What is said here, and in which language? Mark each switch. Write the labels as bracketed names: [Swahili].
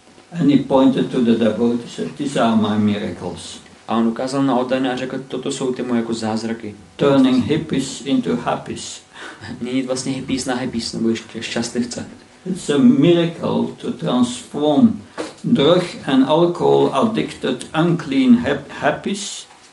[English] And he pointed to the devotee, said, "These are my miracles." [Czech] A on ukázal na oddané a řekl, toto jsou ty moje jako zázraky. [English] Turning hippies into happies. [Czech] Měnit vlastně hippies na happies, nebo ještě šťastlivce. [English] It's a miracle to transform drug and alcohol addicted unclean happies.